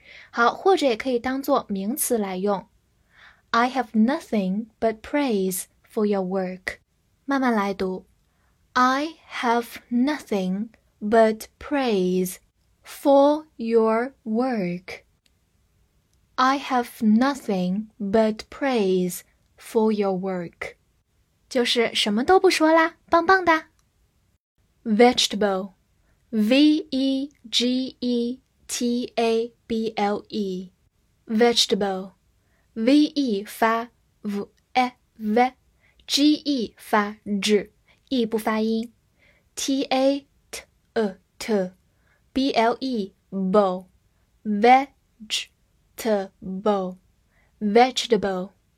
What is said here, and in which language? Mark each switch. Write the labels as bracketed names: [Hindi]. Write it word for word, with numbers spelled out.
[Chinese] 好，或者也可以当作名词来用。 [English] I have nothing but praise for your work. [Chinese] 慢慢来读。 [English] I have nothing but praise for your work. I have nothing but praise for your work. [Chinese] 就是什么都不说啦，棒棒的。 [English] Vegetable, V E G E T A B L E, Vegetable, V E 发 V E V, G E 发 G, E [Chinese] 不发音 [English] ，T A T E T, B L E B O, Vegetable, Vegetable。